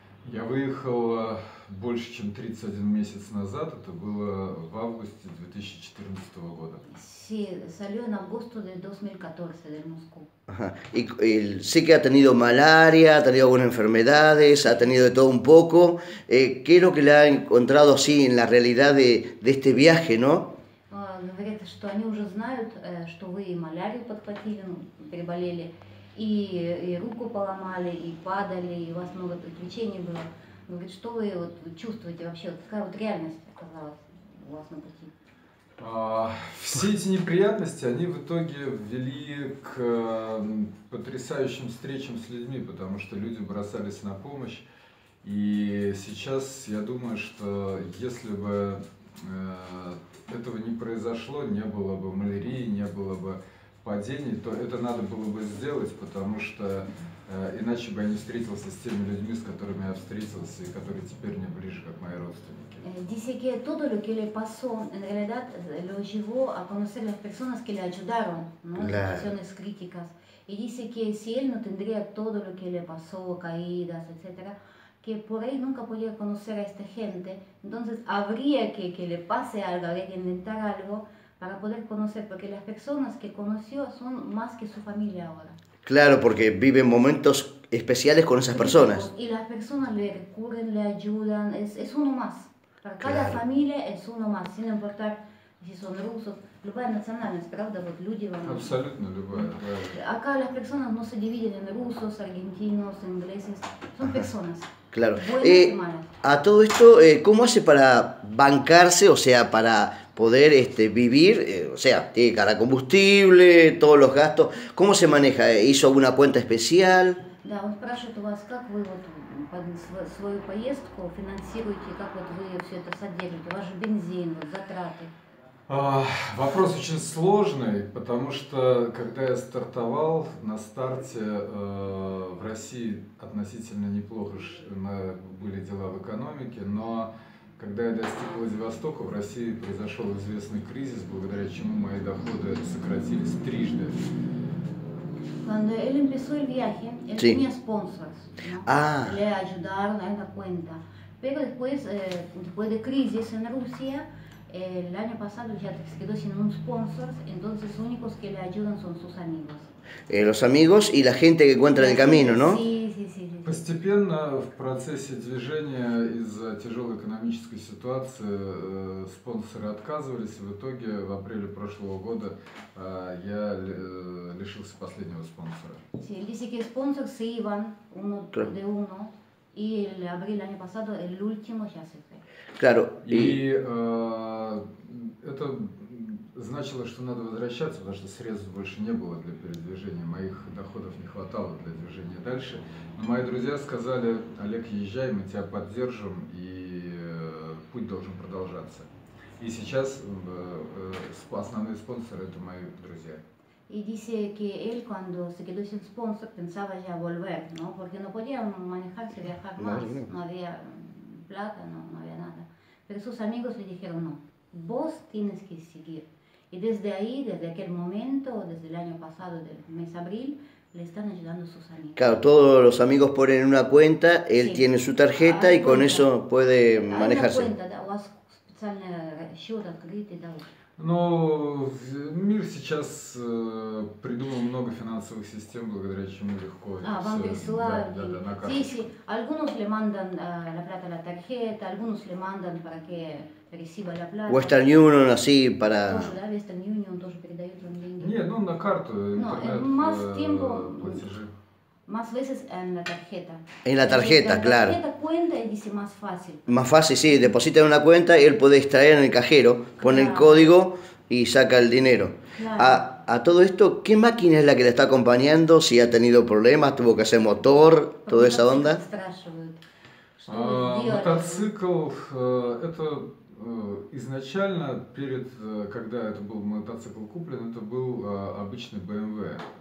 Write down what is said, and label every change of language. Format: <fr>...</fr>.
<ru>Я выехал больше, чем 31 месяц назад. Это было в августе 2014 года.</ru> <es>Sí, salió en agosto de 2014 de Moscú. Ajá. Y sé que ha tenido malaria, ha tenido algunas enfermedades, ha tenido de todo un poco. ¿Qué es lo que le ha encontrado así en la realidad de este viaje, no?</es> <ru>Говорят, что они уже знают, что вы и малярию подхватили, ну, переболели, и руку поломали, и падали, и у вас много приключений было. Говорит, что вы вот, чувствуете вообще, вот такая вот реальность оказалась у вас на пути. Все эти неприятности, они в итоге вели к потрясающим встречам с людьми, потому что люди бросались на помощь. И сейчас я думаю, что если бы этого не произошло, не было бы малярии, не было бы падений, то это надо было бы сделать, потому что иначе бы я не встретился с теми людьми, с которыми я встретился, и которые теперь мне ближе, как мои родственники.</ru> <es>Dice que todo lo que le pasó en realidad lo llevó a conocer las personas que le ayudaron, ¿no? En Claro. situaciones críticas. Y dice que si él no tendría todo lo que le pasó, caídas, etcétera, que por ahí nunca podría conocer a esta gente. Entonces habría que le pase algo, habría que inventar algo para poder conocer, porque las personas que conoció son más que su familia ahora. Claro, porque viven momentos especiales con esas personas. Críticos. Y las personas le recurren, le ayudan, es uno más. Para cada Claro. familia es uno más, sin importar si son rusos,</es> <ru>любая национальность, правда, вот люди вам. Абсолютно любая, да.</ru> <es>Acá las personas no se dividen en rusos, argentinos, ingleses, son Ajá. personas, Claro. buenas y malas. A todo esto, ¿cómo hace para bancarse, o sea, para poder vivir, o sea, tiene cara combustible, todos los gastos, ¿cómo se maneja? ¿Hizo alguna cuenta especial?</es> <ru>Да, он спрашивает у вас, как вы вот свою поездку финансируете, как вот вы все это содержите, ваш бензин, вот затраты. Вопрос очень сложный, потому что когда я стартовал, на старте в России относительно неплохо были дела в экономике, но когда я достиг Владивостока, в России произошел известный кризис, благодаря чему мои доходы сократились трижды.</ru> <es>Cuando él empezó el viaje, él Sí. tenía sponsors, ¿no? Ah. Le ayudaron a la cuenta. Pero después, después de crisis en Rusia, el año pasado ya se quedó sin un sponsor, entonces los únicos que le ayudan son sus amigos. Los amigos y la gente que Y encuentra en la el camino, gente, ¿no? sí.</es> <ru>Постепенно в процессе движения из-за тяжелой экономической ситуации спонсоры отказывались, и в итоге в апреле прошлого года я лишился последнего спонсора.</ru> <es>Sí, dice que sponsors se iban uno de uno y el abril del año pasado el último ya se fue. Claro, y</es> <ru>Y это значило, что надо возвращаться, потому что средств больше не было для передвижения, моих доходов не хватало для движения дальше. Но мои друзья сказали: «Олег, езжай, мы тебя поддержим, и путь должен продолжаться». И сейчас основные спонсоры – это мои друзья.</ru> <es>Y dice que él cuando se quedó sin sponsor pensaba ya volver, ¿no? Porque no podía manejarse, viajar más, no había plata, no había nada. Pero sus amigos le dijeron, no, vos tienes que seguir. Y desde ahí, desde aquel momento, desde el año pasado, del mes abril, le están ayudando sus amigos. Claro, todos los amigos ponen una cuenta, él Sí, tiene su tarjeta hay y con cuenta. eso puede Hay una manejarse.</es> <ru>cuenta, da,</ru> <es>o has especial</es> <ru>счет открытый, да, вот. Но мир сейчас придумал много финансовых систем, благодаря чему легко. А, банки слабые.</ru> <es>Sí, algunos le mandan la plata a la tarjeta, algunos le mandan para que reciba la plata. Western Union, así, para...</es> <ru>Да, Western Union тоже передают вам деньги. Нет, ну на карту, интернет, платежи.</ru> <es>Más veces en la tarjeta. En la tarjeta, claro. En la tarjeta cuenta y dice más fácil. Más fácil, sí. Deposita en una cuenta y él puede extraer en el cajero, claro. Pone el código y saca el dinero. Claro. A todo esto, ¿qué máquina es la que le está acompañando? Si ha tenido problemas, tuvo que hacer motor, toda esa onda.</es> <ru>Мотоцикл, это изначально, перед, когда это был мотоцикл куплен, это был обычный BMW.</ru>